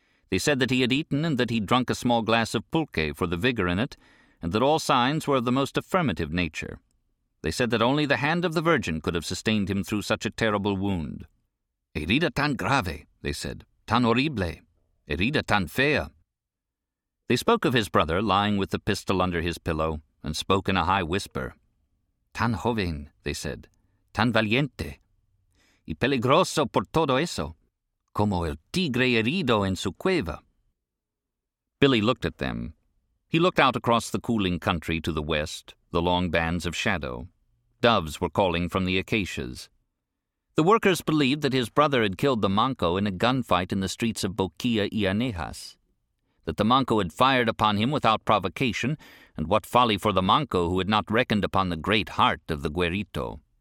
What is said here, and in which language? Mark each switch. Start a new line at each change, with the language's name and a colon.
English: They said that he had eaten and that he'd drunk a small glass of pulque for the vigor in it, and that all signs were of the most affirmative nature. They said that only the hand of the Virgin could have sustained him through such a terrible wound.
Spanish: Herida tan grave,
English: they said,
Spanish: tan horrible, herida tan fea.
English: They spoke of his brother lying with the pistol under his pillow, and spoke in a high whisper.
Spanish: Tan joven,
English: they said,
Spanish: tan valiente, y peligroso por todo eso, como el tigre herido en su cueva.
English: Billy looked at them. He looked out across the cooling country to the west, the long bands of shadow. Doves were calling from the acacias. The workers believed that his brother had killed the Manco in a gunfight in the streets of Boquilla y Anejas, that the Manco had fired upon him without provocation, and what folly for the Manco who had not reckoned upon the great heart of the Guerrito.